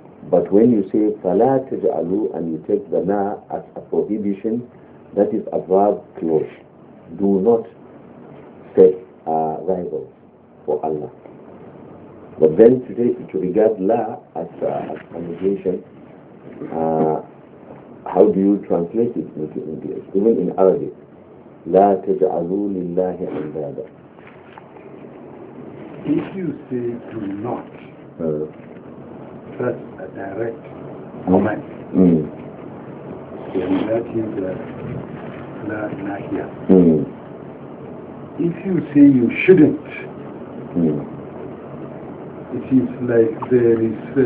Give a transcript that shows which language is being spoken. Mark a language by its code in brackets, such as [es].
[en] But when you say [ar] فَلَا تَجْعَلُوا [en] and you take the na as a prohibition, that is a verb clause. Do not set a rival for Allah. But then today, to regard la as a negation, how do you translate it into English? Even in Arabic, [ar] لَا تَجْعَلُوا لِلَّهِ عَنْدَادَ. [en] If you say do not, that's a direct comment. And that is la nahiya. If you say you shouldn't, it is like there is